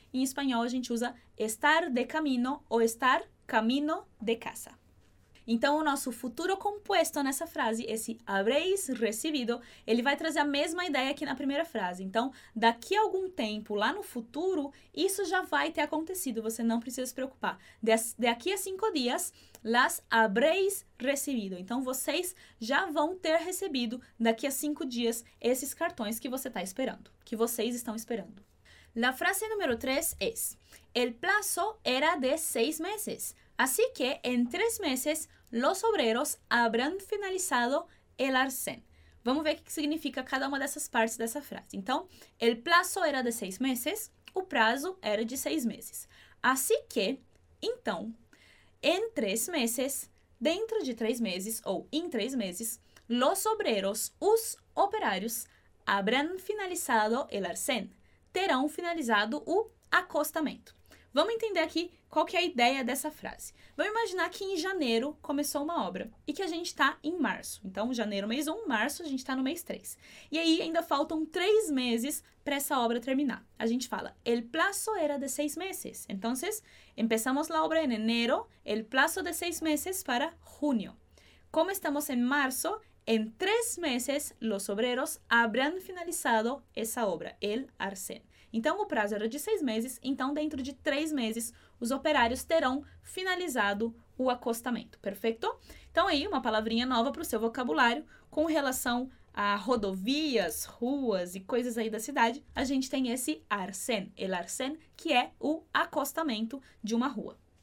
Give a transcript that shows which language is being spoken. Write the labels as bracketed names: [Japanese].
[Portuguese] Em espanhol, a gente usa estar de camino ou estar camino de casa. Então, o nosso futuro compuesto nessa frase, esse habréis recibido, ele vai trazer a mesma ideia que na primeira frase. Então, daqui a algum tempo, lá no futuro, isso já vai ter acontecido, você não precisa se preocupar. [Spanish] De aqui a 5 dias, las habréis recibido. [Portuguese] Então, vocês já vão ter recebido, daqui a 5 dias, esses cartões que você está esperando, que vocês estão esperando. [Spanish] La frase número 3 es, el plazo era de 6 meses. Así que en 3 meses, los obreros habrán finalizado el arsén. [Portuguese] Vamos ver o que significa cada uma dessas partes dessa frase. Então, [Spanish] el plazo era de 6 meses, [Portuguese] o prazo era de 6 meses. Así que, então, en 3 meses, dentro de 3 meses, ou em 3 meses, los obreros, os operários, [Spanish] habrán finalizado el arsén, [Portuguese] terão finalizado o acostamento. Vamos entender aqui qual que é a ideia dessa frase. Vamos imaginar que em janeiro começou uma obra e que a gente está em março. Então, janeiro, mês 1, março, a gente está no mês 3. E aí, ainda faltam 3 meses para essa obra terminar. A gente fala, [Spanish] el plazo era de 6 meses. Então, empezamos la obra en enero, el plazo de 6 meses para junio. [Portuguese] Como estamos em março, [Spanish] en 3 meses, los obreros habrán finalizado esa obra, el arsén. [Portuguese] Então, o prazo era de 6 meses, então, dentro de 3 meses, os operários terão finalizado o acostamento, perfeito? Então, aí, uma palavrinha nova para o seu vocabulário com relação a rodovias, ruas e coisas aí da cidade, a gente tem esse arsén, el arsén, que é o acostamento de uma rua.